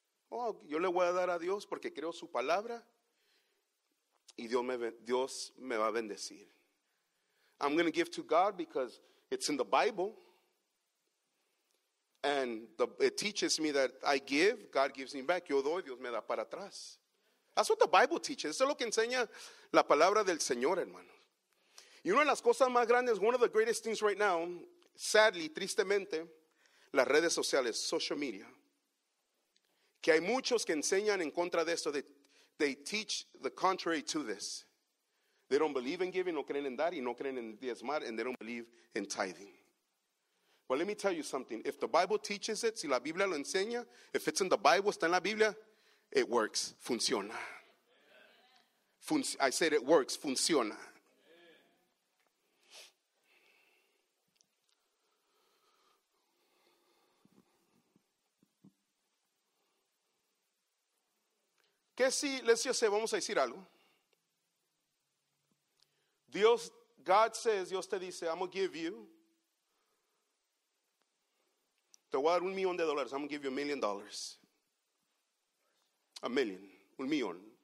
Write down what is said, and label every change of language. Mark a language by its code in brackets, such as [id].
[es] Oh, yo le voy a dar a Dios porque creo su palabra. Y Dios me va a bendecir. [en] I'm going to give to God because it's in the Bible. And it teaches me that I give, God gives me back. [es] Yo doy, Dios me da para atrás. [en] That's what the Bible teaches. [es] Eso es lo que enseña la palabra del Señor, hermano. Y una de las cosas más grandes, [en] one of the greatest things right now, sadly, [es] tristemente, las redes sociales, [en] social media. [es] Que hay muchos que enseñan en contra de esto, de [en] they teach the contrary to this. They don't believe in giving, [es] no creen en dar, y no creen en diezmar, [en] and they don't believe in tithing. But let me tell you something. If the Bible teaches it, [es] si la Biblia lo enseña, [en] if it's in the Bible, [es] está en la Biblia, [en] it works. [es] Funciona. [en] I said it works. [es] Funciona. ¿Qué si les dice, vamos a decir algo? [en] Dios, God says, [es] Dios te dice, [en] I'm going to give you, [es] te voy a dar $1,000,000, [en] I'm going to give you $1,000,000. $1,000,000.